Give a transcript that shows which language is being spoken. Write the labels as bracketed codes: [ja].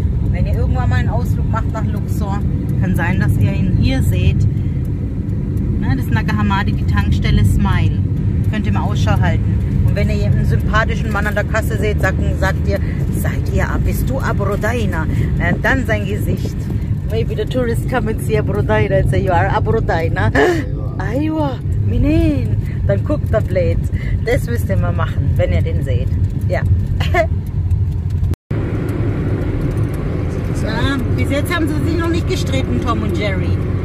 [de] Wenn ihr irgendwann mal einen Ausflug macht nach Luxor, kann sein, dass ihr ihn hier seht. Na, das ist Nagahamadi, die Tankstelle Smile. Könnt ihr mal Ausschau halten. Und wenn ihr einen sympathischen Mann an der Kasse seht, sagt ihr, seid ihr ab, bist du Abrudaina? Dann sein Gesicht. [en] Maybe the tourist come and see Abrudaina and say, you are Abrudaina. [ar] Aywa, minen. [de] Dann guckt er blöd. Das müsst ihr mal machen, wenn ihr den seht. Ja. Bis jetzt haben sie sich noch nicht gestritten, Tom und Jerry.